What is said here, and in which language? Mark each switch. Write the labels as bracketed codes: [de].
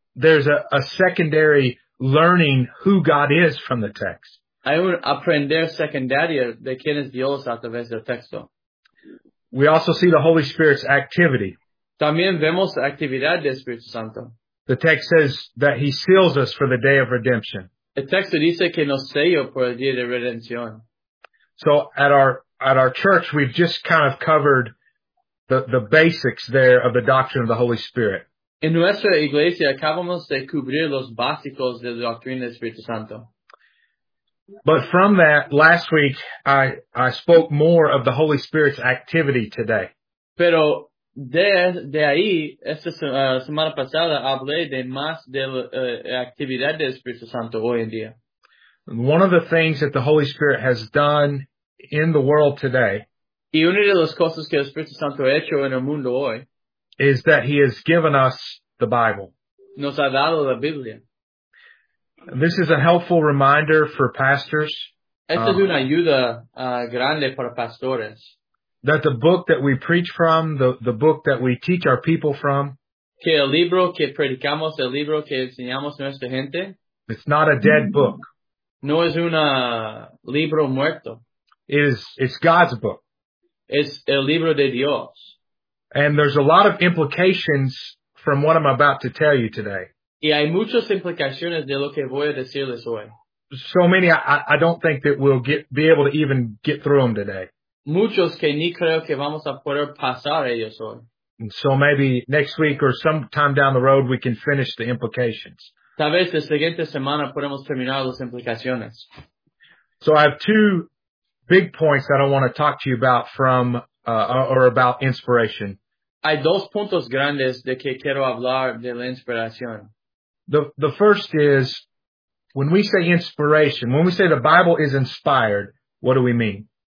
[en] There's a secondary learning who God is from the text. [es] Hay un aprender secundario de quién es Dios a través del texto. [en] We also see the Holy Spirit's activity. [es] También vemos la actividad del Espíritu Santo. [en] The text says that he seals us for the day of redemption. [es] El texto dice que nos selló por el día de redención. [en] So at our church, we've just kind of covered the basics there of the doctrine of the Holy Spirit. [es] En nuestra iglesia acabamos de cubrir los básicos de la doctrina del Espíritu Santo. [en] But from that, last week, I spoke more of the Holy Spirit's activity today. [es] Pero de ahí, esta semana pasada, hablé de más de la actividad del Espíritu Santo hoy en día. [en] One of the things that the Holy Spirit has done in the world today. [es] Y una de las cosas que el Espíritu Santo ha hecho en el mundo hoy. [en] Is that he has given us the Bible. [es] Nos ha dado la Biblia. [en] This is a helpful reminder for pastors. [es] Esta es una ayuda grande para pastores. [en] That the book that we preach from, the book that we teach our people from. [es] Que el libro que predicamos, el libro que enseñamos a nuestra gente. [en] It's not a dead book. [es] No es un libro muerto. [en] It's God's book. [es] Es el libro de Dios. [en] And there's a lot of implications from what I'm about to tell you today. [es] Y hay muchas implicaciones de lo que voy a decirles hoy. [en] So many, I don't think that we'll be able to even get through them today. [es] Muchos que ni creo que vamos a poder pasar ellos hoy. [en] And so maybe next week or sometime down the road we can finish the implications. [es] Tal vez la siguiente semana podemos terminar las implicaciones. [en] So I have two big points that I want to talk to you about from or about inspiration. [es] Hay dos puntos grandes de que quiero hablar de la inspiración. [en] The first is, when we say inspiration, when we say the Bible is inspired, what do we mean?